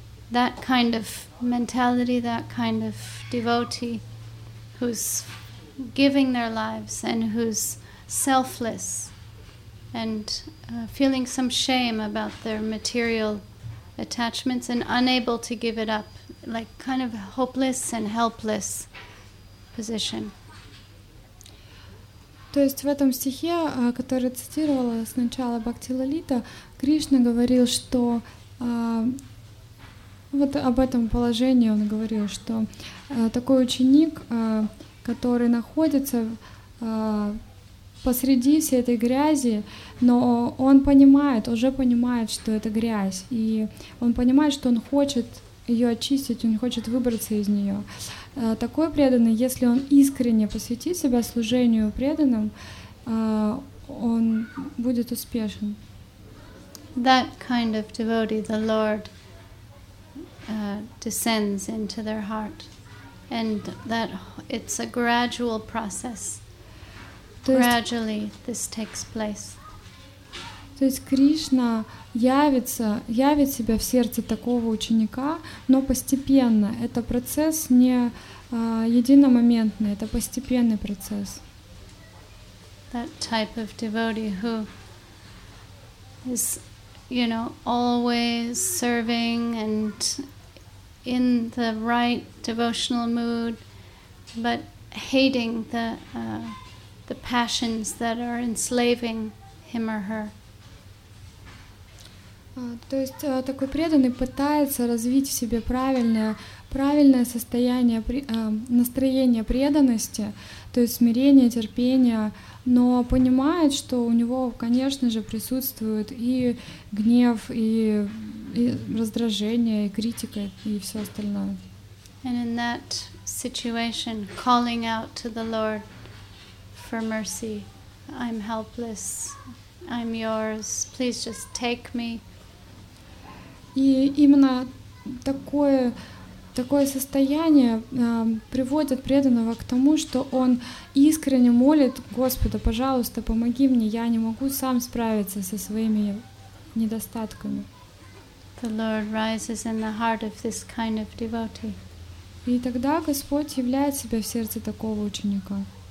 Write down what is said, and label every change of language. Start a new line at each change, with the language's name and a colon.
English: that kind of mentality, that kind of devotee who's giving their lives and who's selfless and feeling some shame about their material attachments and unable to give it up, like kind of hopeless and helpless position.
Russian: То есть в этом стихе, который цитировала сначала Бхакти Лалита, Кришна говорил, что вот об этом положении он говорил, что такой ученик, который находится посреди всей этой грязи, но он понимает, уже понимает, что это грязь, и он понимает, что он хочет ее очистить, он хочет выбраться из нее. Такой преданный, если он искренне посвятит себя служению преданным, он будет успешен.
English: That kind of devotee, the Lord descends into their heart, and that it's a gradual process. Gradually this takes place.
Russian: То есть Кришна явит себя в сердце такого ученика, но постепенно. Это процесс не единомоментный, это постепенный процесс.
English: That type of devotee who is, you know, always serving and in the right devotional mood, but hating the passions that are enslaving him or her.
Russian: То есть такой преданный пытается развить в себе правильное состояние, настроение преданности, то есть смирение, терпение, но понимает, что у него, конечно же, присутствует и гнев, и раздражение, и критика, и все остальное.
English: And in that situation, calling out to the Lord for mercy, I'm helpless, I'm yours, please just take me.
Russian: И именно такое состояние приводит преданного к тому, что он искренне молит Господа: «Пожалуйста, помоги мне, я не могу сам справиться со своими недостатками».
English: The Lord rises in the heart of this kind of devotee.
Russian: И тогда Господь являет себя в сердце такого ученика.